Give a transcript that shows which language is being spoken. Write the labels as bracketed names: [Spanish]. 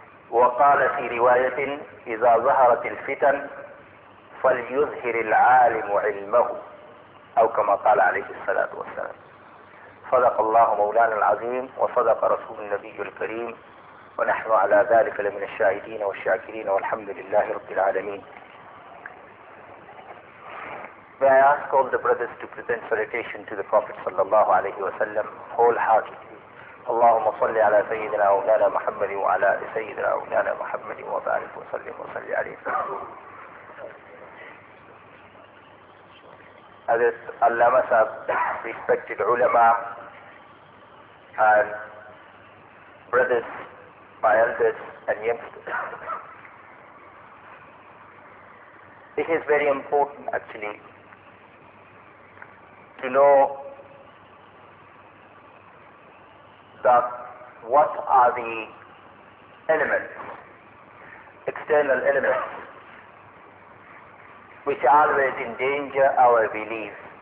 [Arabic] وقال في رواية: إذا ظهرت الفتن فليظهر العالم علمه، أو كما قال عليه الصلاة والسلام. صدق الله مولانا العظيم، وصدق رسول النبي الكريم، ونحن على ذلك لمن الشاهدين والشاكرين، والحمد لله رب العالمين. [English] May I ask all the brothers to present salutation to the Prophet [Arabic] صلى الله عليه وسلم [English] wholeheartedly. [Arabic] اللهم صل على سيدنا مولانا محمد وعلى سيدنا مولانا محمد وبارك وسلم وصلي عليه. [English] Hazrat Allama Sahib, respected ulama and brothers, my elders and youngsters. It is very important actually to know that what are the elements, external elements, which always endanger our belief.